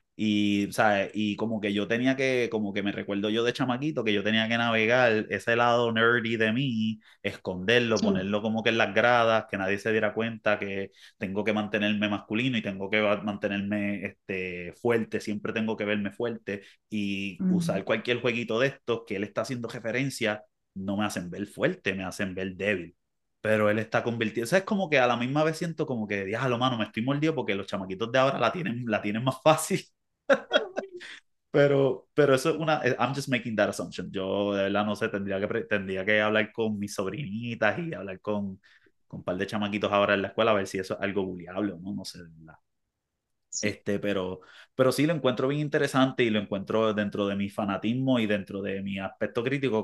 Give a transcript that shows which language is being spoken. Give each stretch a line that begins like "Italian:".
Spanish: Y, o sea, y como que yo tenía que, como que me recuerdo yo de chamaquito, que yo tenía que navegar ese lado nerdy de mí, esconderlo, ponerlo como que en las gradas, que nadie se diera cuenta que tengo que mantenerme masculino y tengo que mantenerme fuerte, siempre tengo que verme fuerte y usar cualquier jueguito de estos que él está haciendo referencia, no me hacen ver fuerte, me hacen ver débil. Pero él está convirtiendo, o sea, es como que a la misma vez siento como que, diablo, mano, me estoy mordido porque los chamaquitos de ahora la tienen más fácil. Pero eso es una,
English: I'm just making that assumption.
Spanish: Yo de verdad no sé, tendría que hablar con mis sobrinitas y hablar con un par de chamaquitos ahora en la escuela a ver si eso es algo buleable o no, no sé, de verdad. Pero sí lo encuentro bien interesante y lo encuentro dentro de mi fanatismo y dentro de mi aspecto crítico.